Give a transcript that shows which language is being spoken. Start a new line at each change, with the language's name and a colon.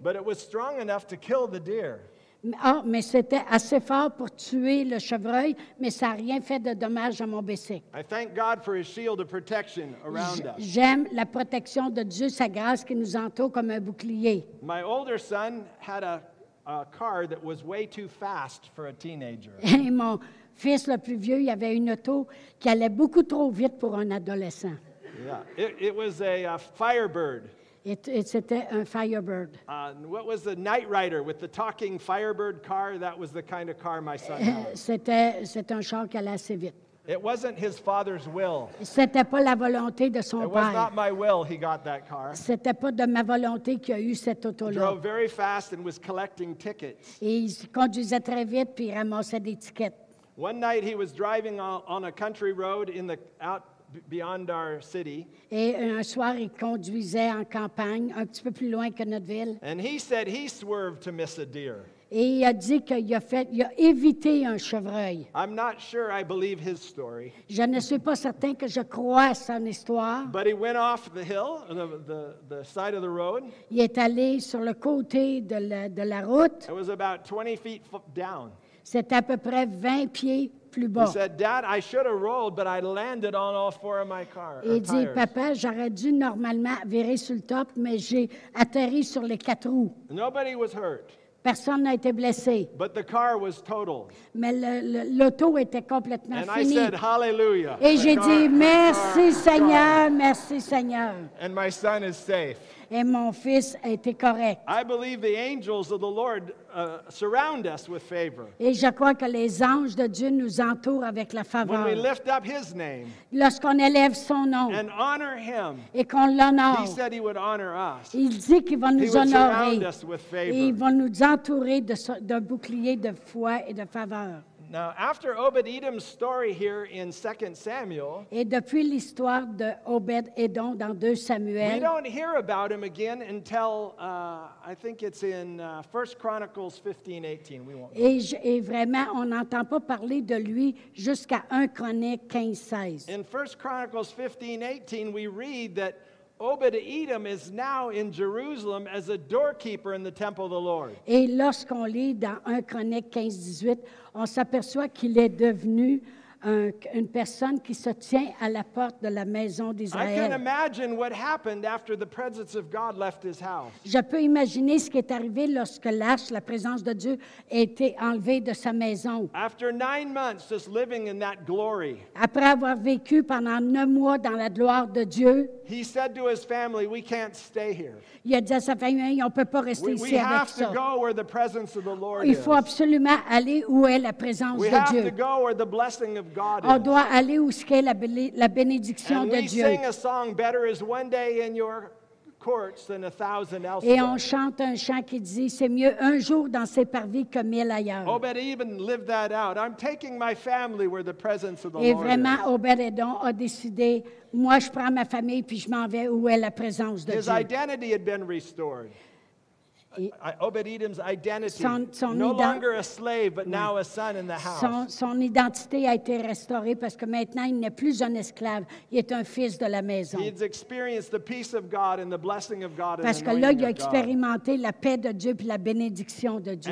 English: But it was strong enough to kill the deer.
French: Ah, mais c'était assez fort pour tuer le chevreuil, mais ça n'a rien fait de dommage à mon bicycle.
English: I thank God for his shield of protection around us.
French: J'aime la protection de Dieu, sa grâce qui nous entoure comme un bouclier.
English: My older son had a car that was way too fast for a teenager.
French: Et mon fils le plus vieux, il avait une auto qui allait beaucoup trop vite pour un adolescent.
English: Yeah, it was a Firebird.
French: C'était un Firebird.
English: What was the Knight Rider with the talking Firebird car? That was the kind of car my son had.
French: C'était un char qui allait assez vite.
English: It wasn't his father's will.
French: C'était pas la volonté de son père.
English: It was not my will he got that car.
French: C'était pas de ma volonté qu'il a eu cette auto-là.
English: He drove very fast and was collecting tickets.
French: Et il conduisait très vite puis il ramassait des tickets.
English: One night he was driving on a country road in the out. Beyond our city.
French: Et un soir, il conduisait en campagne, un petit peu plus loin que notre ville.
English: And he said he swerved to miss a deer.
French: Et il a dit il a évité un chevreuil.
English: I'm not sure I believe his story.
French: Je ne suis pas certain que je crois son histoire.
English: But he went off the hill, the side of the road.
French: Il est allé sur le côté de la route.
English: It was about 20 feet down.
French: C'était à peu près 20 pieds.
English: He said, Dad, I should have rolled, but I landed on all four of my car.
French: Il dit, papa, j'aurais dû normalement virer sur le top, mais j'ai atterri sur les quatre roues.
English: Nobody was hurt.
French: Personne n'a été blessé.
English: But the car was total.
French: Mais l'auto était complètement
English: fini. And I said, Hallelujah.
French: Et j'ai dit, merci Seigneur, merci Seigneur.
English: And my son is safe.
French: Et mon fils a été correct.
English: I believe the angels of the Lord surround us with favor.
French: Et je crois que les anges de Dieu nous entourent avec la faveur.
English: When we lift up his name,
French: lorsqu'on élève son nom,
English: and honor him,
French: et qu'on l'honore,
English: he said he would honor us.
French: Il dit qu'il va nous honorer.
English: He would surround us with favor.
French: Et il va nous entourer d'un bouclier de foi et de faveur.
English: Now, after Obed-Edom's story here in 2 Samuel,
French: et depuis l'histoire de Obed-Edom dans 2 Samuel,
English: we don't hear about him again until I think it's in 1 Chronicles 15:18.
French: Et vraiment, on n'entend pas parler de lui jusqu'à 1 Chronique 15:16.
English: In 1 Chronicles 15:18, we read that Obed-Edom is now in Jerusalem as a doorkeeper in the temple of the Lord.
French: Et lorsqu'on lit dans 1 Chronique 15:18, on s'aperçoit qu'il est devenu une personne qui se tient à la porte de la maison d'Israël.
English: I can imagine what happened after the presence of God left his house.
French: Je peux imaginer ce qui est arrivé lorsque l'arche, la présence de Dieu, a été enlevée de sa maison.
English: After 9 months just living in that glory.
French: Après avoir vécu pendant 9 mois dans la gloire de Dieu.
English: He said to his family, "We can't stay here."
French: Il a dit à sa famille, on peut pas rester ici avec ça.
English: We have to go where the presence of the Lord is.
French: Il faut absolument aller où est la présence de Dieu.
English: We have to go where the blessing of God is.
French: On doit aller où ce qu'est la bénédiction de Dieu.
English: And we sing a song, "Better is one day in your courts than 1,000 elsewhere."
French: Et on chante un chant qui dit, c'est mieux un jour dans ses parvis que 1,000 ailleurs.
English: Obed-Edom lived that out. I'm taking my family where the presence of the Lord is.
French: Et vraiment, Obed-Edom a décidé. Moi, je prends ma famille puis je m'en vais où est la présence de
English: His
French: Dieu.
English: His identity had been restored. Obed-Edom's identity, no longer a slave, but now a son in the house.
French: Son identité a été restaurée parce que maintenant il n'est plus un esclave. Il est un fils de la maison.
English: He's experienced the peace of God and the blessing of God.
French: Parce que là, il a expérimenté la paix de Dieu puis la bénédiction de Dieu.